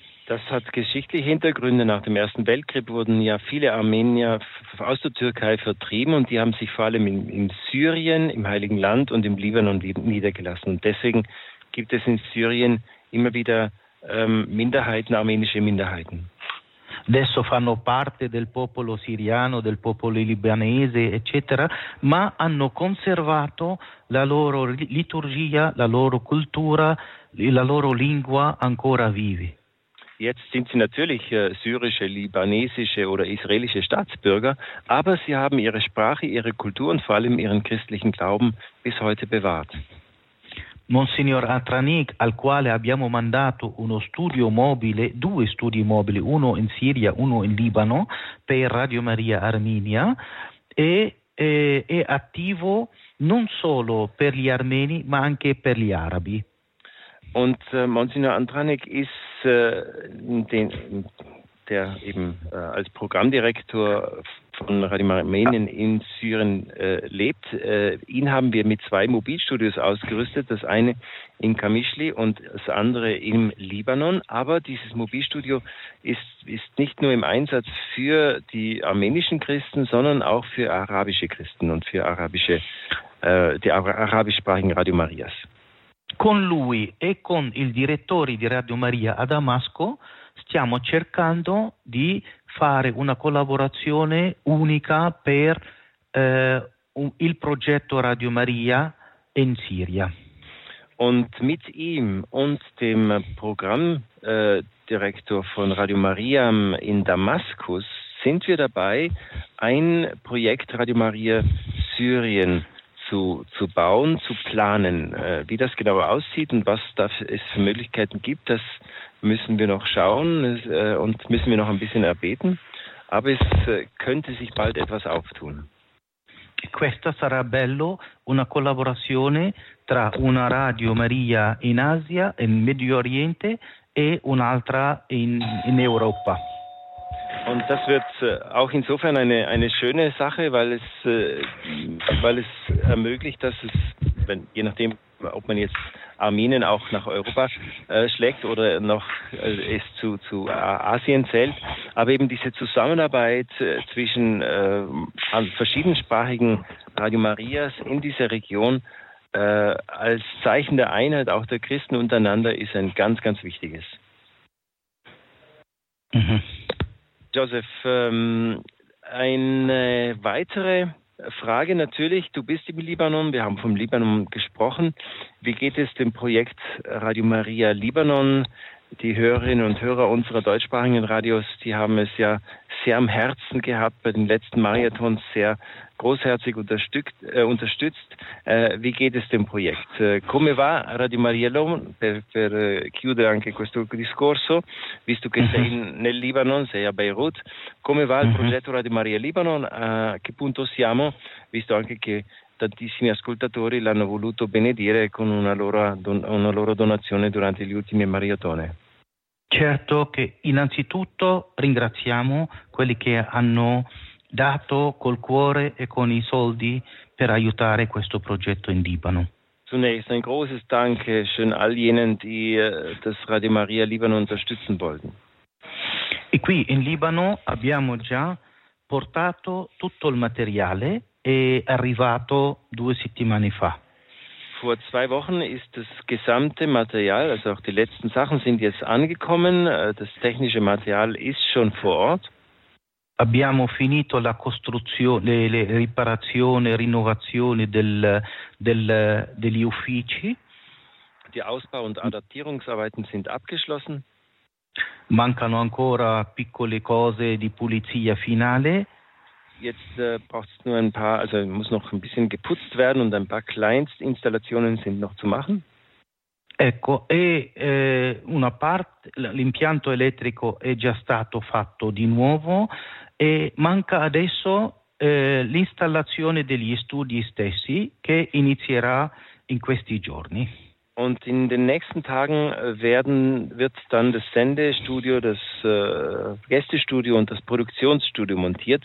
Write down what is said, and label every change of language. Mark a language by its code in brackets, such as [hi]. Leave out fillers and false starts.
[de] Das hat geschichtliche Hintergründe. Nach dem Ersten Weltkrieg wurden ja viele Armenier aus der Türkei vertrieben und die haben sich vor allem in Syrien, im Heiligen Land und im Libanon niedergelassen. Und deswegen gibt es in Syrien immer wieder Minderheiten, armenische Minderheiten. [it] Adesso fanno parte del popolo siriano, del popolo libanese, eccetera, ma hanno conservato la loro liturgia, la loro cultura, la loro lingua ancora vivi. [de] Jetzt sind sie natürlich syrische, libanesische oder israelische Staatsbürger, aber sie haben ihre Sprache, ihre Kultur und vor allem ihren christlichen Glauben bis heute bewahrt. [it] Monsignor Atranik, al quale abbiamo mandato uno studio mobile, due studi mobili, uno in Siria, uno in Libano, per Radio Maria Armenia, è attivo non solo per gli armeni, ma anche per gli arabi. [de] Und Monsignor Atranik ist der eben als Programmdirektor von Radio Armenien in Syrien lebt. Ihn haben wir mit zwei Mobilstudios ausgerüstet, das eine in Kamischli und das andere im Libanon. Aber dieses Mobilstudio ist nicht nur im Einsatz für die armenischen Christen, sondern auch für arabische Christen und für arabischsprachigen Radio Marias. [it] Con lui e con il direttore di Radio Maria a Damasco stiamo cercando di fare una collaborazione unica per il progetto Radio Maria in Siria. [de] Und mit ihm und dem Programmdirektor von Radio Maria in Damaskus sind wir dabei, ein Projekt Radio Maria Syrien zu bauen, zu planen. Wie das genau aussieht und was es für Möglichkeiten gibt, das müssen wir noch schauen und müssen wir noch ein bisschen erbeten. Aber es könnte sich bald etwas auftun. [it] Questa sarà bello, una collaborazione tra una Radio Maria in Asia, in Medio Oriente e un'altra in Europa. [de] Und das wird auch insofern eine schöne Sache, weil es ermöglicht, dass es, wenn, je nachdem, ob man jetzt Armenien auch nach Europa schlägt oder noch es zu Asien zählt, aber eben diese Zusammenarbeit zwischen verschiedensprachigen Radio Marias in dieser Region als Zeichen der Einheit auch der Christen untereinander ist ein ganz, ganz wichtiges. Mhm. Joseph, eine weitere Frage natürlich. Du bist im Libanon, wir haben vom Libanon gesprochen. Wie geht es dem Projekt Radio Maria Libanon? Die Hörerinnen und Hörer unserer deutschsprachigen Radios, die haben es ja sehr am Herzen gehabt, bei den letzten Marathons sehr großherzig unterstützt. Wie geht es dem Projekt? [it] Come va Radio Maria Libanon? Per chiudere anche questo discorso, visto che sei nel Libanon, sei a Beirut, come va il progetto Radio Maria Libanon? A che punto siamo? Visto anche che tantissimi ascoltatori l'hanno voluto benedire con una loro donazione durante gli ultimi maratoni. Certo che innanzitutto ringraziamo quelli che hanno dato col cuore e con i soldi per aiutare questo progetto in Libano. [de] Zunächst ein großes Dankeschön all jenen, die das Radio Maria Libanon unterstützen wollten. [it] E qui in Libano abbiamo già portato tutto il materiale e arrivato due settimane fa. [de] Vor zwei Wochen ist das gesamte Material, also auch die letzten Sachen, sind jetzt angekommen. Das technische Material ist schon vor Ort. [it] Abbiamo finito la costruzione, le riparazioni, rinnovazioni degli uffici. [de] Die Ausbau- und Adaptierungsarbeiten sind abgeschlossen. [it] Mancano ancora piccole cose di pulizia finale. [de] Jetzt braucht es nur ein paar, also muss noch ein bisschen geputzt werden und ein paar Kleinstinstallationen sind noch zu machen. [it] Ecco, e una parte, l'impianto elettrico è già stato fatto di nuovo e manca adesso l'installazione degli studi stessi che inizierà in questi giorni. [de] Und in den nächsten Tagen wird dann das Sendestudio, das Gästestudio und das Produktionsstudio montiert.